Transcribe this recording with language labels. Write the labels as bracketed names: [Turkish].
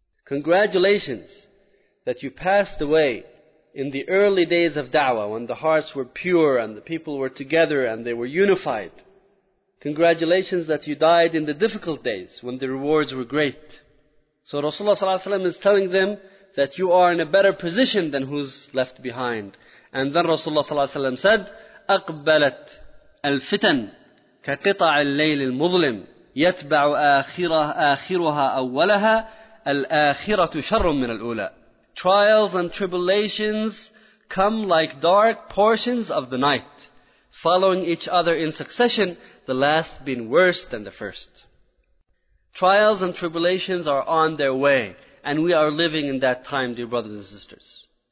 [English] Congratulations that you passed away in the early days of da'wah, when the hearts were pure and the people were together and they were unified. Congratulations that you died in the difficult days when the rewards were great. So Rasulullah sallallahu alayhi wa sallam is telling them that you are in a better position than who's left behind. And then Rasulullah sallallahu alayhi wa sallam said, [Arabic] "أقبلت الفتن كقطع الليل المظلم يتبع آخرها أولها الآخرة شر من الأولى." [English] Trials and tribulations come like dark portions of the night, following each other in succession, the last being worse than the first. Trials and tribulations are on their way, and we are living in that time, dear brothers and sisters.